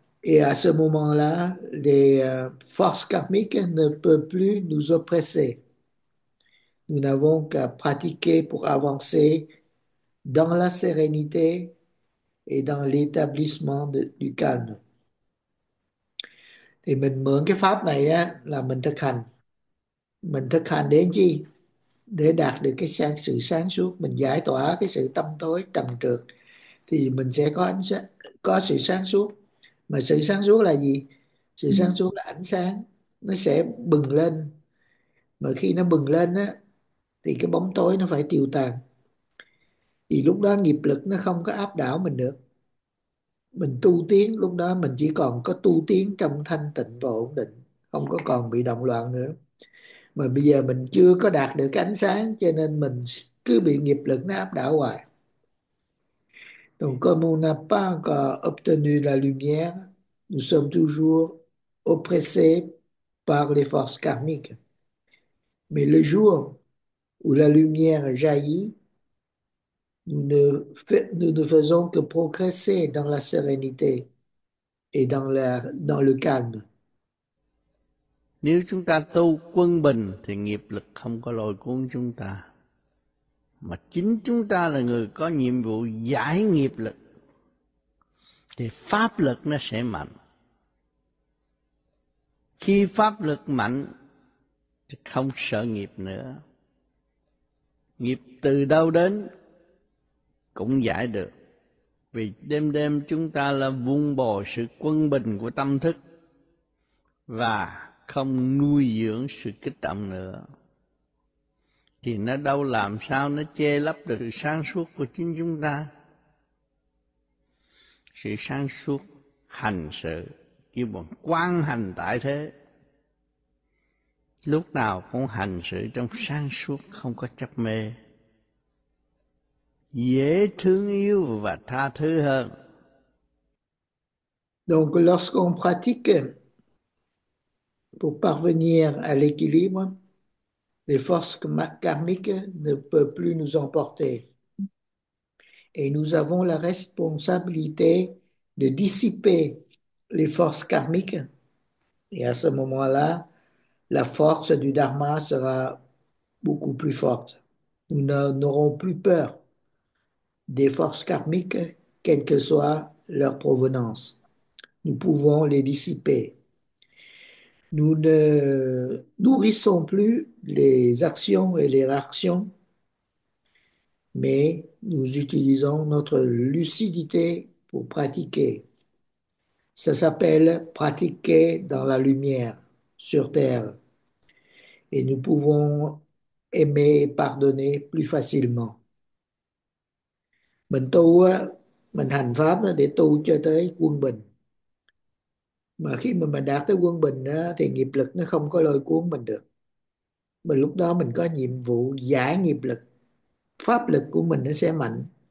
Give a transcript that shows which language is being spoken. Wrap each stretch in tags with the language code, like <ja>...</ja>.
<fr>Et à ce moment-là, les forces karmiques ne peuvent plus nous oppresser. Nous n'avons qu'à pratiquer pour avancer dans la sérénité et dans l'établissement du calme.</fr> <vi>Thì mình mượn cái pháp này á, là mình thực hành đến chi, để đạt được cái sáng, sự sáng suốt, mình giải tỏa cái sự tâm tối trầm trược, thì mình sẽ có ánh sáng, có sự sáng suốt. Mà sự sáng suốt là gì? Sự sáng suốt là ánh sáng, nó sẽ bừng lên. Mà khi nó bừng lên á, thì cái bóng tối nó phải tiêu tan, thì lúc đó nghiệp lực nó không có áp đảo mình được. Mình tu tiến lúc đó mình chỉ còn có tu tiến trong thanh tịnh và ổn định, không có còn bị động loạn nữa. Mà bây giờ mình chưa có đạt được cái ánh sáng cho nên mình cứ bị nghiệp lực nó áp đảo hoài.</vi> <fr>Donc comme on n'a pas encore obtenu la lumière, nous sommes toujours oppressés par les forces karmiques. Mais le jour où la lumière jaillit, nous ne faisons que progresser dans la sérénité et dans le calme.</fr> <vi>Nếu chúng ta tu quân bình thì nghiệp lực không có lôi cuốn chúng ta. Mà chính chúng ta là người có nhiệm vụ giải nghiệp lực thì pháp lực nó sẽ mạnh. Khi pháp lực mạnh thì không sợ nghiệp nữa. Nghiệp từ đâu đến cũng giải được. Vì đêm đêm chúng ta là vun bồi sự quân bình của tâm thức và không nuôi dưỡng sự kích động nữa thì nó đâu làm sao nó che lấp được sự sáng suốt của chính chúng ta. Sự sáng suốt hành sự kêu bằng quang hành tại thế, lúc nào cũng hành sự trong sáng suốt, không có chấp mê, dễ thương yêu và tha thứ hơn.</vi> <fr>Donc, lorsqu'on pratique pour parvenir à l'équilibre, les forces karmiques ne peuvent plus nous emporter. Et nous avons la responsabilité de dissiper les forces karmiques. Et à ce moment-là, la force du dharma sera beaucoup plus forte. Nous n'aurons plus peur des forces karmiques, quelle que soit leur provenance. Nous pouvons les dissiper. Nous ne nourrissons plus les actions et les réactions, mais nous utilisons notre lucidité pour pratiquer. Ça s'appelle pratiquer dans la lumière sur Terre. Et nous pouvons aimer et pardonner plus facilement.</fr> <vi>Mình tu, mình hành pháp để tu cho tới quân bình. Mà khi mà mình đạt tới quân bình á, thì nghiệp lực nó không có lôi cuốn mình được. Mà lúc đó mình có nhiệm vụ giải nghiệp lực. Pháp lực của mình nó sẽ mạnh.</vi>